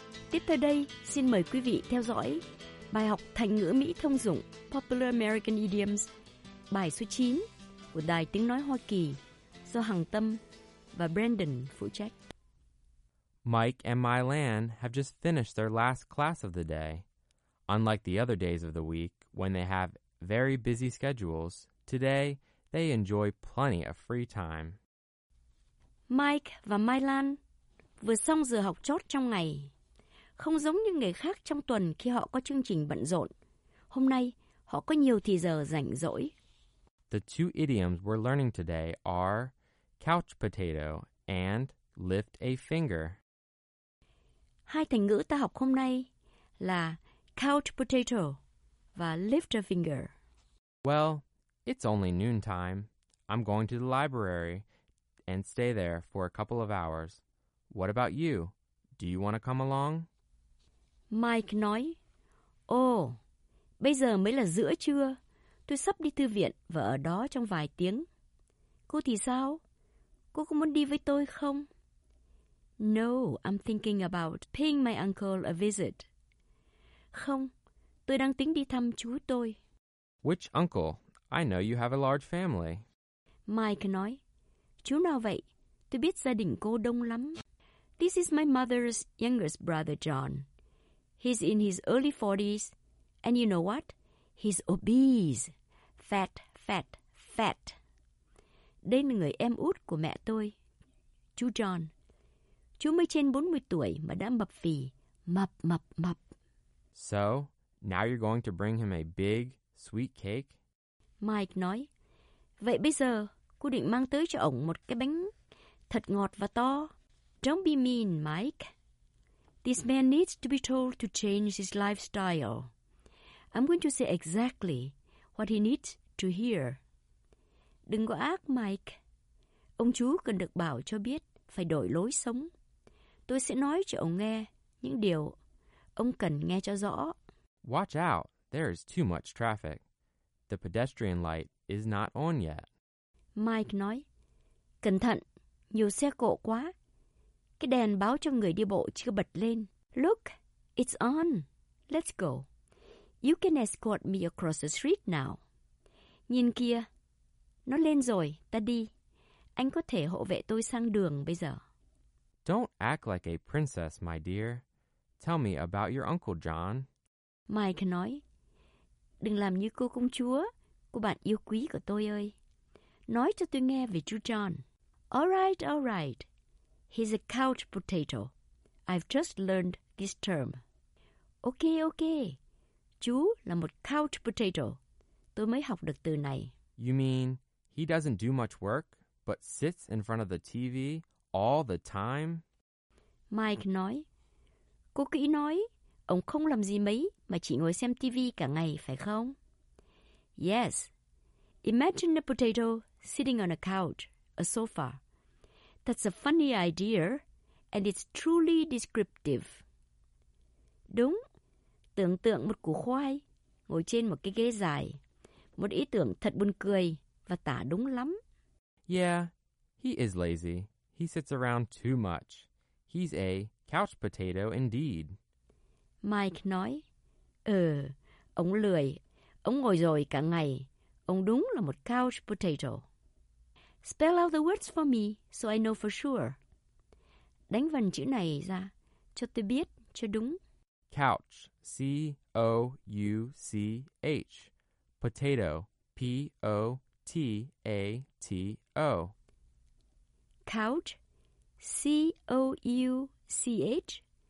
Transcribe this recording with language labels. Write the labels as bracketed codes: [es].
[vi] Tiếp theo đây, xin mời quý vị theo dõi bài học thành ngữ Mỹ thông dụng Popular American Idioms, bài số 9 của Đài Tiếng Nói Hoa Kỳ do Hằng Tâm và Brandon phụ trách. [en] Mike and Mylan have just finished their last class of the day. Unlike the other days of the week, when they have very busy schedules, today they enjoy plenty of free time. [vi] Mike và Mylan vừa xong giờ học chót trong ngày. Không giống như người khác trong tuần khi họ có chương trình bận rộn, hôm nay họ có nhiều thì giờ rảnh rỗi. [en] The two idioms we're learning today are couch potato and lift a finger. [vi] Hai thành ngữ ta học hôm nay là couch potato và lift a finger. [en] Well, it's only noon time. I'm going to the library and stay there for a couple of hours. What about you? Do you want to come along? [vi] Mike nói, bây giờ mới là giữa trưa, tôi sắp đi thư viện và ở đó trong vài tiếng. Cô thì sao? Cô có muốn đi với tôi không? [en] No, I'm thinking about paying my uncle a visit. [vi] Không, tôi đang tính đi thăm chú tôi. [en] Which uncle? I know you have a large family. [vi] Mike nói, chú nào vậy? Tôi biết gia đình cô đông lắm. [en] This is my mother's youngest brother, John. He's in his early 40s, and you know what? He's obese. Fat, fat, fat. [vi] Đây là người em út của mẹ tôi, chú John. Chú mới trên 40 tuổi mà đã mập phì, mập, mập, mập. [en] So, now you're going to bring him a big, sweet cake? [vi] Mike nói, vậy bây giờ, cô định mang tới cho ổng một cái bánh thật ngọt và to. [en] Don't be mean, Mike. This man needs to be told to change his lifestyle. I'm going to say exactly what he needs to hear. [vi] Đừng có ác, Mike. Ông chú cần được bảo cho biết phải đổi lối sống. Tôi sẽ nói cho ông nghe những điều ông cần nghe cho rõ. [en] Watch out, there is too much traffic. The pedestrian light is not on yet. [vi] Mike nói, cẩn thận, nhiều xe cộ quá. Cái đèn báo cho người đi bộ chưa bật lên. [en] Look, it's on. Let's go. You can escort me across the street now. [vi] Nhìn kia. Nó lên rồi, ta đi. Anh có thể hộ vệ tôi sang đường bây giờ. [en] Don't act like a princess, my dear. Tell me about your uncle John. [vi] Mike nói, đừng làm như cô công chúa của bạn yêu quý của tôi ơi. Nói cho tôi nghe về chú John. [en] All right, he's a couch potato. I've just learned this term. Okay, okay. [vi] Chú là một couch potato. Tôi mới học được từ này. [en] You mean he doesn't do much work, but sits in front of the TV all the time? [vi] Mike nói, cô kỹ nói, ông không làm gì mấy mà chỉ ngồi xem TV cả ngày, phải không? [en] Yes. Imagine a potato sitting on a couch, a sofa. That's a funny idea, and it's truly descriptive. [vi] Đúng. Tưởng tượng một củ khoai ngồi trên một cái ghế dài. Một ý tưởng thật buồn cười và tả đúng lắm. [en] Yeah, he is lazy. He sits around too much. He's a couch potato indeed. [vi] Mike nói, ông lười. Ông ngồi rồi cả ngày. Ông đúng là một couch potato. [en] Spell out the words for me so I know for sure. [vi] Đánh vần chữ này ra cho tôi biết cho đúng. [en] Couch, C-O-U-C-H. Potato, P-O-T-A-T-O. Couch, C-O-U-C-H.